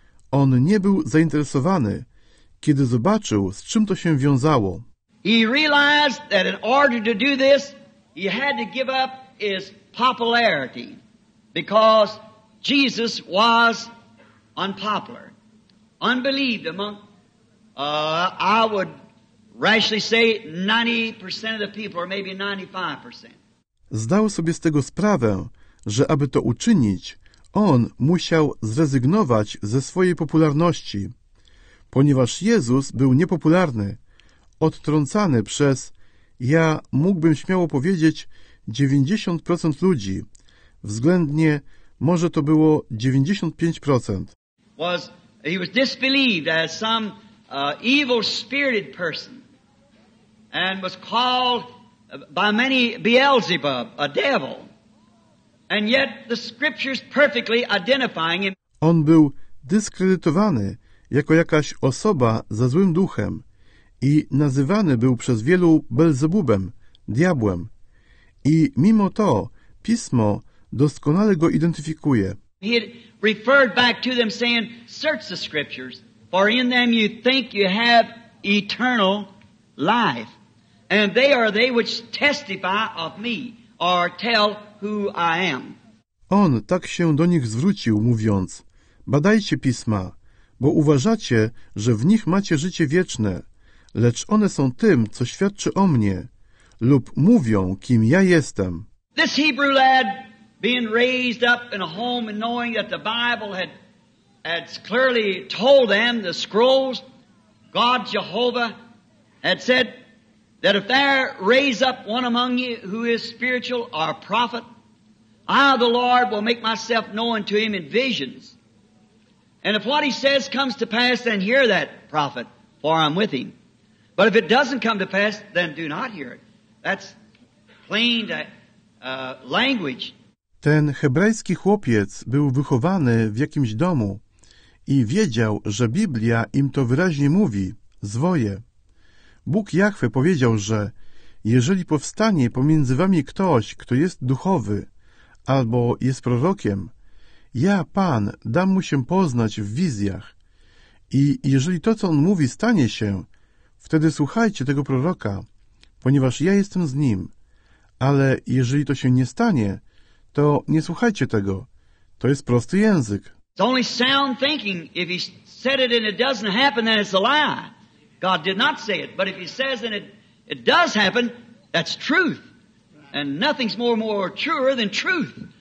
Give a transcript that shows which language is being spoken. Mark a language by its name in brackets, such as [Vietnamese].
[Polish] On nie był zainteresowany, kiedy zobaczył, z czym to się wiązało. [English] He realized that in order to do this, he had to give up his popularity because Jesus was unpopular. Unbelieved among, I would rashly say 90% of the people, or maybe 95%. [Polish] Zdał sobie z tego sprawę, że aby to uczynić, on musiał zrezygnować ze swojej popularności, ponieważ Jezus był niepopularny, odtrącany przez, ja mógłbym śmiało powiedzieć, 90% ludzi, względnie może to było 95%. [English] He was disbelieved as some evil-spirited person and was called by many Beelzebub, a devil. And yet the scriptures perfectly identifying him. [Polish] On był dyskredytowany jako jakaś osoba ze złym duchem i nazywany był przez wielu Belzebubem, diabłem. I mimo to Pismo doskonale go identyfikuje. [English] Referred back to them saying, search the scriptures, for in them you think you have eternal life. And they are they which testify of me, or tell who I am. [Polish] On tak się do nich zwrócił, mówiąc, badajcie pisma, bo uważacie, że w nich macie życie wieczne, lecz one są tym, co świadczy o mnie, lub mówią, kim ja jestem. [English] This Hebrew lad, being raised up in a home and knowing that the Bible had clearly told them, the scrolls, God Jehovah had said that if there raise up one among you who is spiritual or a prophet, I, the Lord, will make myself known to him in visions. And if what he says comes to pass, then hear that prophet, for I'm with him. But if it doesn't come to pass, then do not hear it. That's plain language. [Polish] Ten hebrajski chłopiec był wychowany w jakimś domu i wiedział, że Biblia im to wyraźnie mówi, zwoje. Bóg Jahwe powiedział, że jeżeli powstanie pomiędzy wami ktoś, kto jest duchowy albo jest prorokiem, ja, Pan, dam mu się poznać w wizjach. I jeżeli to, co on mówi, stanie się, wtedy słuchajcie tego proroka, ponieważ ja jestem z nim. Ale jeżeli to się nie stanie, to nie słuchajcie tego. To jest prosty język. [English] It's only sound thinking. If he said it and it doesn't happen, then it's a lie. God did not say it. But if he says and it does happen, that's truth. And nothing's more truer than truth.